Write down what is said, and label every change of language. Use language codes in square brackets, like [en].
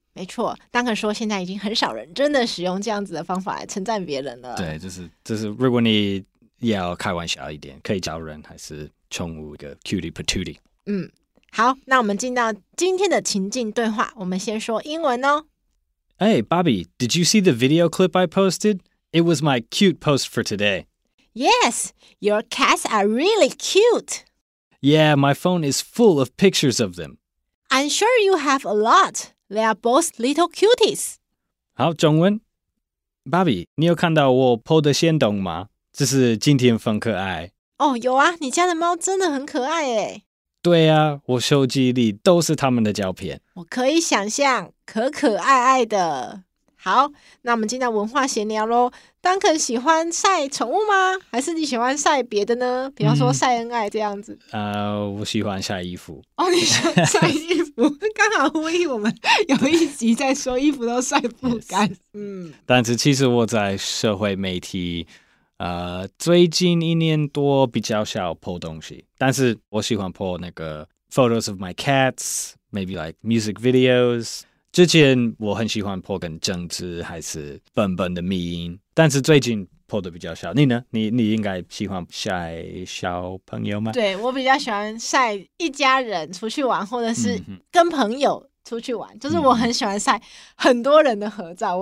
[zh] 没错，Duncan说现在已经很少人真的使用这样子的方法来称赞别人了。对，就是如果你要开玩笑一点，可以叫人还是宠物一个 cutie patootie。好，那我们进到今天的情境对话，我们先说英文哦。 [en] Hey Bobby， did you see the video clip I posted？ It was my cute post for today。 Yes, your cats are really cute. Yeah, my phone is full of pictures of them. I'm sure you have a lot. They are both little cuties. [zh] 好，中文。 Bobby, 你有看到我 po 的限动吗？这是今天很可爱。哦，有啊，你家的猫真的很可爱耶。对啊，我手机里都是他们的照片。我可以想象，可可爱爱的。好，那我们进到文化闲聊咯。 Duncan 喜欢晒宠物吗？还是你喜欢晒别的呢？比方说晒恩爱这样子。我喜欢晒衣服。哦，你喜欢晒衣服。刚好呼应我们有一集在说衣服都晒不干。 [en] Yes. [zh] 但是其实我在社会媒体最近一年多比较少 po 东西。但是我喜欢 po 那个 [en] photos of my cats， maybe like music videos。 [zh] 之前我很喜欢 po 跟政治还是笨笨的迷因，但是最近 po 的比较少。你呢？你应该喜欢晒小朋友吗？对，我比较喜欢晒一家人出去玩，或者是跟朋友出去玩，就是我很喜欢晒很多人的合照。